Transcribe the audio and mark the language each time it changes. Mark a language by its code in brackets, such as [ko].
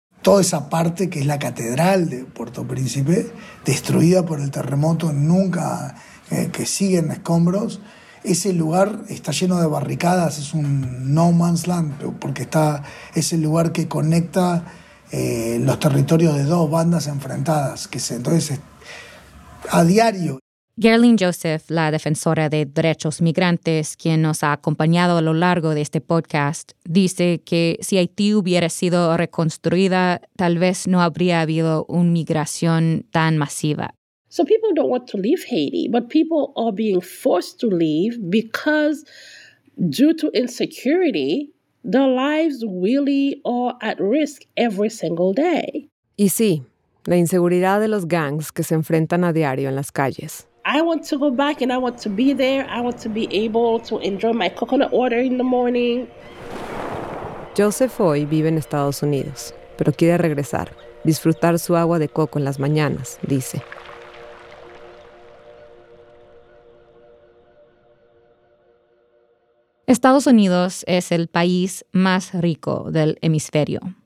[es] Toda esa parte que es la catedral de Puerto Príncipe, destruida por el terremoto, nunca, que sigue en escombros, ese lugar está lleno de barricadas, es un [en] no man's land, [es] porque está, es el lugar que conecta los territorios de dos bandas enfrentadas, que se, entonces, a diario. Gerlin Joseph, la defensora de derechos migrantes, quien nos ha acompañado a lo largo de este podcast, dice que si Haití hubiera sido reconstruida, tal vez no habría habido una migración tan masiva. [en] So people don't want to leave Haiti, but people are being forced to leave because due to insecurity, their lives really are at risk every single day. [es] Y sí, la inseguridad de los gangs que se enfrentan a diario en las calles. [en] I want to go back and I want to be there. I want to be able to enjoy my coconut water in the morning. [es] Joseph hoy vive en Estados Unidos, pero quiere regresar, disfrutar su agua de coco en las mañanas, dice. Estados Unidos es el país más rico del hemisferio.